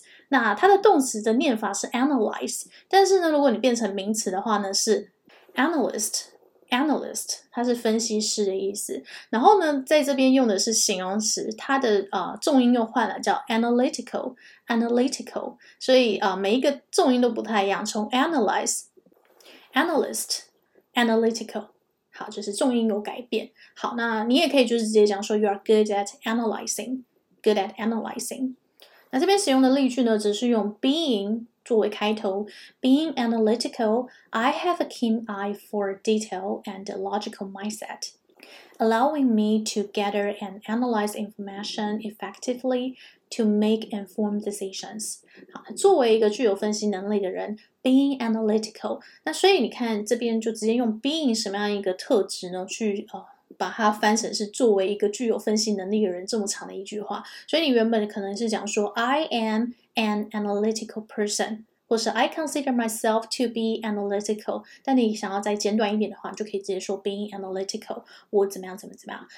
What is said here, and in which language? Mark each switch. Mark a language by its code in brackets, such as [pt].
[zh] 那它的动词的念法是 analyze， 但是呢如果你变成名词的话呢是 analyst， 它是分析师的意思。然后呢在这边用的是形容词，它的、重音又换了，叫 analytical。所以、每一个重音都不太一样，从 analyze analyst analytical， 好，就是重音有改变。好，那你也可以就是直接讲说 [en] you are good at analyzing， good at analyzing。 [zh] 那这边使用的例句呢只是用 [en] being [zh] 作为开头， [en] being analytical, I have a keen eye for detail and a logical mindset, allowing me to gather and analyze information effectively to make informed decisions. [zh] 好，作为一个具有分析能力的人， being analytical, 那所以你看这边就直接用 being 什么样一个特质呢去、把它翻成是作为一个具有分析能力的人这么长的一句话。所以你原本可能是讲说 [en] I am an analytical person， [zh] 或是 [en] I consider myself to be analytical， [zh] 但你想要再简短一点的话，就可以直接说 being analytical， 我怎么样怎么怎么样。